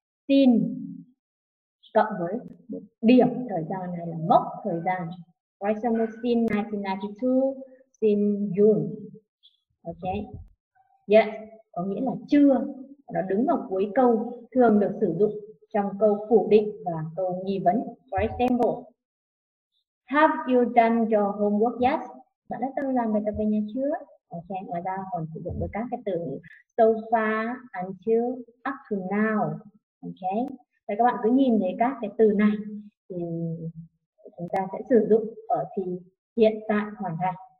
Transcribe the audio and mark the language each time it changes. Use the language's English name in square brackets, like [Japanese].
[Vietnamese] Tin cộng với một điểm thời gian này là mốc thời gian. [English] For example, since 1992, since June. Ok. [Vietnamese] Yes, có nghĩa là chưa. Nó đứng vào cuối câu, thường được sử dụng trong câu phủ định và câu nghi vấn. [English] For example, have you done your homework yet? [Vietnamese] Bạn đã tự làm bài tập về nhà chưa? Ok, ngoài ra còn sử dụng với các cái từ [English] so far, until, up to now. [Vietnamese] Ok, vậy các bạn cứ nhìn thấy các cái từ này thì chúng ta sẽ sử dụng ở thì hiện tại hoàn thành.